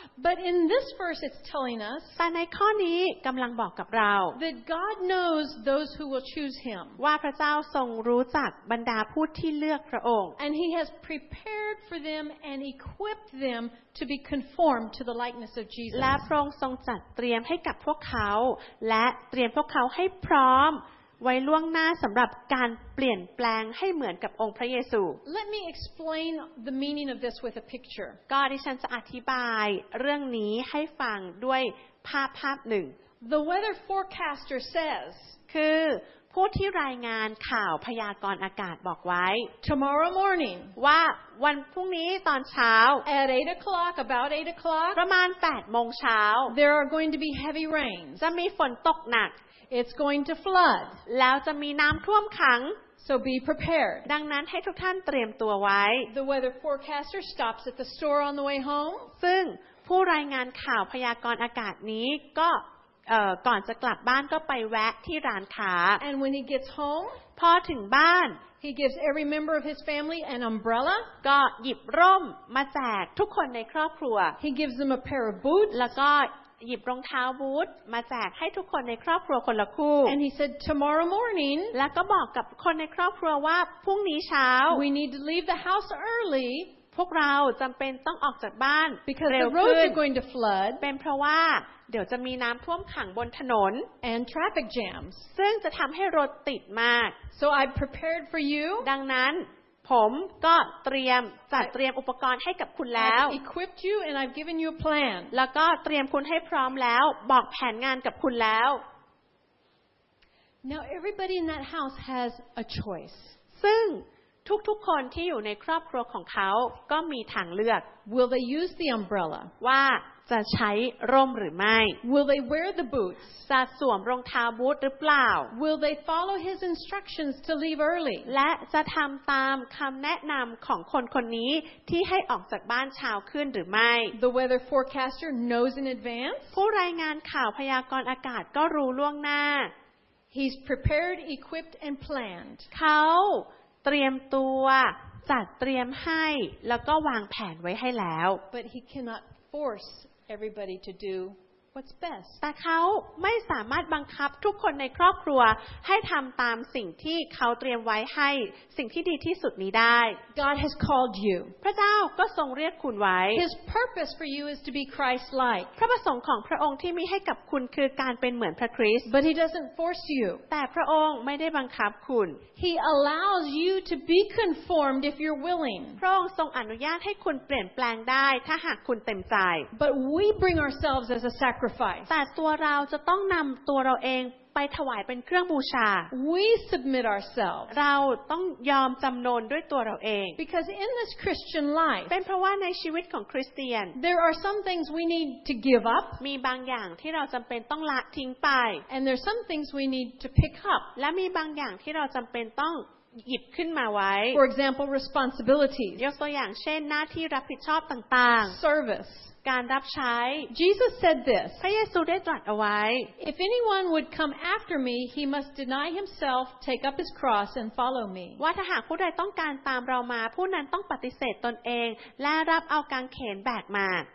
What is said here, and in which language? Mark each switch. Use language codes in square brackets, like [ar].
[en] But in this verse it's telling us [th] แต่ในข้อนี้กำลังบอกกับเรา [en] that God knows those who will choose Him. [th] ว่าพระเจ้าทรงรู้จักบรรดาผู้ที่เลือกพระองค์ [en] And He has prepared for them and equipped them to be conformed to the likeness of Jesus. [th] และพระองค์ทรงจัดเตรียมให้กับพวกเขาและเตรียมพวกเขาให้พร้อมไว้ล่วงหน้าสำหรับการเปลี่ยนแปลงให้เหมือนกับองค์พระเยซู [en] Let me explain the meaning of this with a picture. [th] ก็ดิฉันจะอธิบายเรื่องนี้ให้ฟังด้วยภาพหนึ่ง [en] The weather forecaster says [th] คือผู้ที่รายงานข่าวพยากรณ์อากาศบอกไว้ [en] Tomorrow morning [th] ว่าวันพรุ่งนี้ตอนเช้า [en] at 8 o'clock about 8 o'clock [th] ประมาณ 8 โมงเช้า [en] there are going to be heavy rains [th] จะมีฝนตกหนัก [en] it's going to flood [th] แล้วจะมีน้ำท่วมขัง [en] so be prepared [th] ดังนั้นให้ทุกท่านเตรียมตัวไว้ [en] the weather forecaster stops at the store on the way home [th] ซึ่งผู้รายงานข่าวพยากรณ์อากาศนี้ก็ก่อนจะกลับบ้านก็ไปแวะที่ร้านค้า [en] And when he gets home [th] พอถึงบ้าน [en] he gives every member of his family an umbrella [th] ก็หยิบร่มมาแจกทุกคนในครอบครัว [en] he gives them a pair of boots [th] แล้วก็หยิบรองเท้าบูทมาแจกให้ทุกคนในครอบครัวคนละคู่ [en] And he said tomorrow morning [th] แล้วก็บอกกับคนในครอบครัวว่าพรุ่งนี้เช้า [en] we need to leave the house early [th] พ พวกเราจำเป็นต้องออกจากบ้านเร็วขึ้น [en] Because the roads are going to flood [th] เป็นเพราะว่าเดี๋ยวจะมีน้ำท่วมขังบนถนน [en] and traffic jams [th] ซึ่งจะทำให้รถติดมาก [en] So I prepared for you [th] ดังนั้นผมก็เตรียมจัดเตรียมอุปกรณ์ให้กับคุณแล้ว [en] I've equipped you and I've given you a plan [th] แล้วก็เตรียมคุณให้พร้อมแล้วบอกแผนงานกับคุณแล้ว [en] Now everybody in that house has a choice [th] ซึ่งทุกๆคนที่อยู่ในครอบครัวของเขาก็มีทางเลือก [en] Will they use the umbrella [th] ว่าจะใช้ร่มหรือไม่ [en] Will they wear the boots [th] จะสวมรองเท้าบูทหรือเปล่า [en] Will they follow his instructions to leave early [th] และจะทำตามคำแนะนำของคนคนนี้ที่ให้ออกจากบ้านเช้าขึ้นหรือไม่ [en] The weather forecaster knows in advance [th] ผู้รายงานข่าวพยากรณ์อากาศก็รู้ล่วงหน้า [en] He's prepared, equipped and planned [th] เขาเตรียมตัวจัดเตรียมให้แล้วก็วางแผนไว้ให้แล้ว [en] But he cannot forceEverybody to do what's best. [th] แต่เขาไม่สามารถบังคับทุกคนในครอบครัวให้ทำตามสิ่งที่เขาเตรียมไว้ให้สิ่งที่ดีที่สุดนี้ได้ [en] God has called you. [th] พระเจ้าก็ทรงเรียกคุณไว้ [en] His purpose for you is to be Christ-like. [th] พระประสงค์ของพระองค์ที่มีให้กับคุณคือการเป็นเหมือนพระคริสต์ [en] But He doesn't force you. [th] แต่พระองค์ไม่ได้บังคับคุณ [en] He allows you to be conformed if you're willing. [th] พระองค์ทรงอนุญาตให้คุณเปลี่ยนแปลงได้ถ้าหากคุณเต็มใจ [en] But we bring ourselves as a sacrifice. [th] แต่ตัวเราจะต้องนำตัวเราเองไปถวายเป็นเครื่องบูชา [en] We submit ourselves [th] เราต้องยอมจำนนด้วยตัวเราเอง [en] Because in this Christian life [th] เป็นเพราะว่าในชีวิตของคริสเตียน [en] There are some things we need to give up [th] มีบางอย่างที่เราจำเป็นต้องละทิ้งไป [en] And there's some things we need to pick up [th] และมีบางอย่างที่เราจำเป็นต้องหยิบขึ้นมาไว้ [en] For example responsibilities [th] ยกตัวอย่างเช่นหน้าที่รับผิดชอบต่าง [en] ๆ Service [th] การรับใช้ [en] Jesus said this [th] พระเยซูได้ตรัสเอาไว้ [en] If anyone would come after me he must deny himself take up his cross and follow me [th] ว่าถ้าหากผู้ใดต้องการตามเรามาผู้นั้นต้องปฏิเสธตนเองและรับเอากางเขนแบกมา